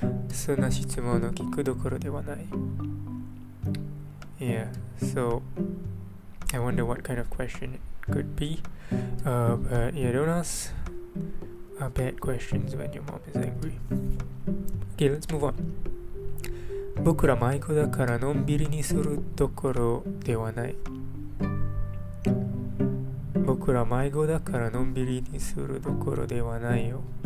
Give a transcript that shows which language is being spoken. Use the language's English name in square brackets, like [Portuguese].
[Japanese] そんな質問を聞くどころではない。 [English] Yeah, so I wonder what kind of question it could be. But yeah, don't ask bad questions when your mom is angry. Okay, let's move on. [Japanese] 僕ら迷子だからのんびりにするところではない。僕ら迷子だからのんびりにするところではないよ。